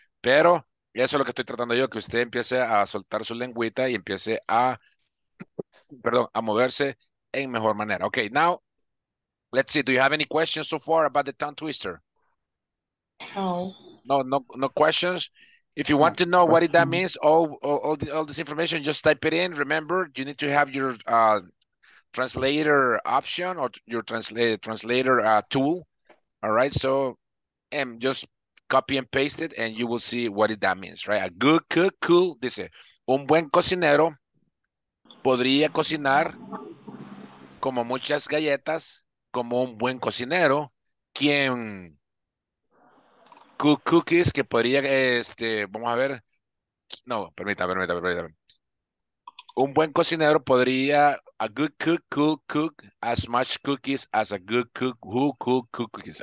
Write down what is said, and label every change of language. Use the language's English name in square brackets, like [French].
[Spanish] Pero eso es lo que estoy tratando yo, que usted empiece a soltar su lengüita y empiece a moverse en mejor manera. [English] Okay, now, let's see, do you have any questions so far about the tongue twister? No questions. If you want to know what that means, all this information, just type it in. Remember, you need to have your translator option or your translator tool. All right. So, just copy and paste it, and you will see what that means. Right. A good cook, cool. [Spanish] Dice, un buen cocinero podría cocinar como muchas galletas como un buen cocinero quien [English] cook cookies [Spanish] que podría vamos a ver. No, permítame. Un buen cocinero podría, [English] a good cook could cook as much cookies as a good cook who could cook cookies.